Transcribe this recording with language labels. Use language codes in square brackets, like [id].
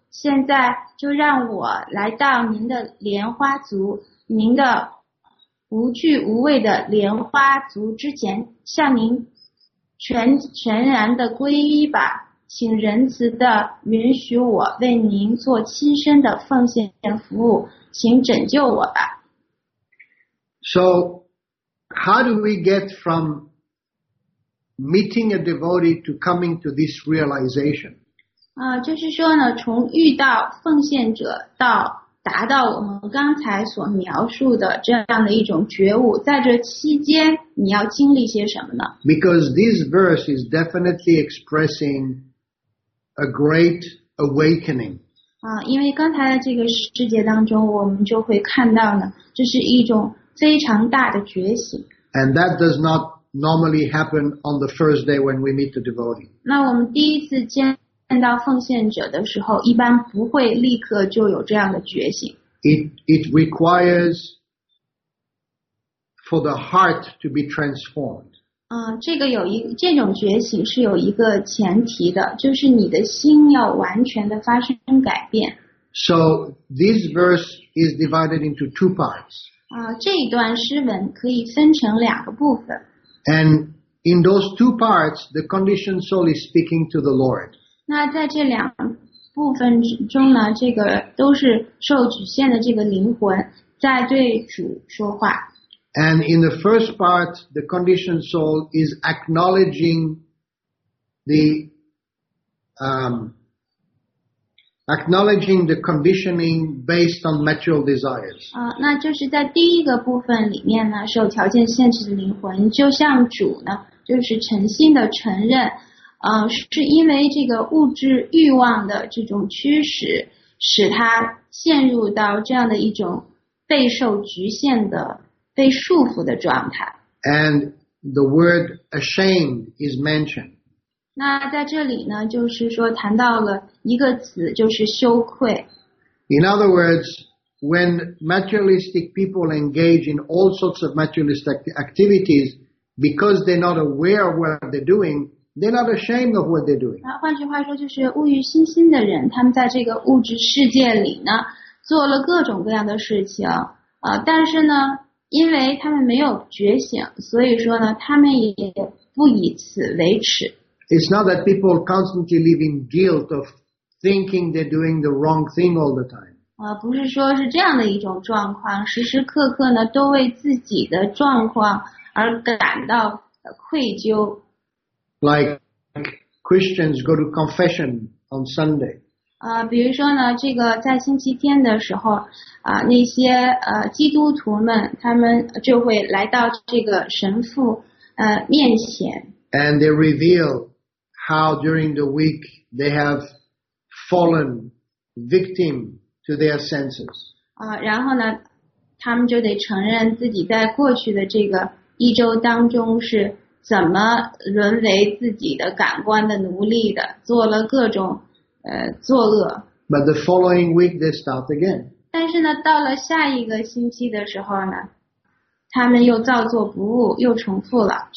[zh] 现在就让我来到您的莲花族，您的无惧无畏的莲花族之前，向您全然的皈依吧，请仁慈的允许我为您做亲身的奉献服务，请拯救我吧。 [en] So how do we get from meeting a devotee to coming to this realization? [zh] 就是说呢，从遇到奉献者到达到我们刚才所描述的这样的一种觉悟，在这期间你要经历些什么呢？ [en] Because this verse is definitely expressing a great awakening. [zh] 因为刚才的这个世界当中，我们就会看到呢，这是一种非常大的觉醒。 [en] And that does not normally happen on the first day when we meet the devotee. [zh] 那我们第一次见到奉献者的时候，一般不会立刻就有这样的觉醒。 [en] It requires for the heart to be transformed. [zh] 这种觉醒是有一个前提的，就是你的心要完全的发生改变。 [en] So this verse is divided into two parts. [zh] 这一段诗文可以分成两个部分。 [en] And in those two parts, the conditioned soul is speaking to the Lord. [zh] 那在这两部分中呢，这个都是受局限的这个灵魂在对主说话。 [en] And in the first part, the conditioned soul is acknowledging the conditioning based on material desires. [zh] 那就是在第一个部分里面呢，受条件限制的灵魂就向主呢，就是诚心的承认。是因为这个物质欲望的这种驱使，使他陷入到这样的一种备受局限的、被束缚的状态。 [en] And the word ashamed is mentioned. [zh] 那在这里呢，就是说谈到了一个词，就是羞愧。 [en] In other words, when materialistic people engage in all sorts of materialistic activities, because they're not aware of what they're doing,They're not ashamed of what they're doing. [zh] 那换句话说，就是物欲熏心的人，他们在这个物质世界里呢，做了各种各样的事情，但是呢，因为他们没有觉醒，所以说呢，他们也不以此为耻。 [en] It's not that people constantly live in guilt of thinking they're doing the wrong thing all the time. [zh] 不是说是这样的一种状况，时时刻刻呢，都为自己的状况而感到愧疚。 [en] Like Christians go to confession on Sunday. [zh] 比如说呢，这个在星期天的时候，那些基督徒们，他们就会来到这个神父面前。 [en] And they reveal how during the week they have fallen victim to their senses. [zh] 然后呢，他们就得承认自己在过去的这个一周当中是。怎么沦为自己的感官的奴隶的，做了各种作恶。 [en] But the following week they start again. [zh] 但是呢，到了下一个星期的时候呢，他们又造作不误，又重复了。